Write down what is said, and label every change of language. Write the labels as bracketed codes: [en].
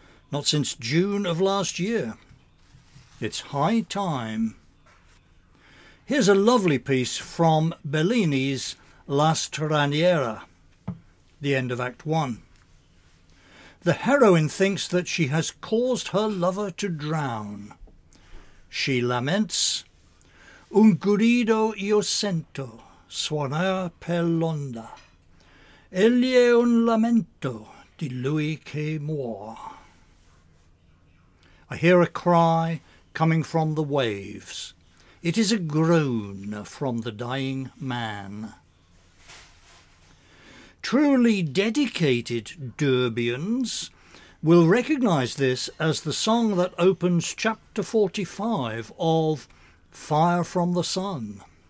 [en] Not since June of last year. It's high time. Here's a lovely piece from Bellini's La Straniera, the end of Act One. The heroine thinks that she has caused her lover to drown. She laments, [it] Un grido io sento, suonar per l'onda. Egli è un lamento di lui che muore. [en] I hear a cry coming from the waves. It is a groan from the dying man. Truly dedicated Derbians will recognise this as the song that opens chapter 45 of Fire from the Sun.